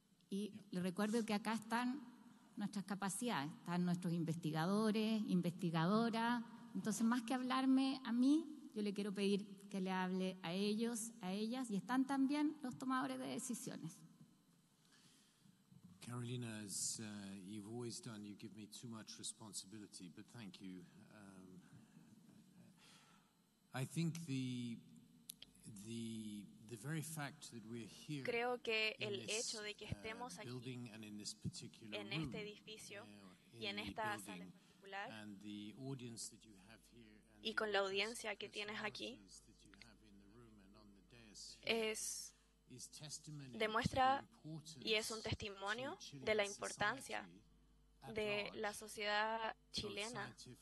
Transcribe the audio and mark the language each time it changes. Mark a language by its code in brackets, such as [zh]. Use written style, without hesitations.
[es] Y le recuerdo que acá están nuestras capacidades, están nuestros investigadores, investigadoras. Entonces, más que hablarme a mí, yo le quiero pedir que le hable a ellos, a ellas, y están también los tomadores de decisiones. [en] Carolina, as you've always done, you give me too much responsibility, but thank you. I think the very fact that we're here, [es] creo que el hecho de que estemos aquí en este edificio y en esta sala particular, [en] and the audience that you have here, [es] y con la audiencia que tienes aquí, demuestra y es un testimonio de la importancia de la sociedad chilena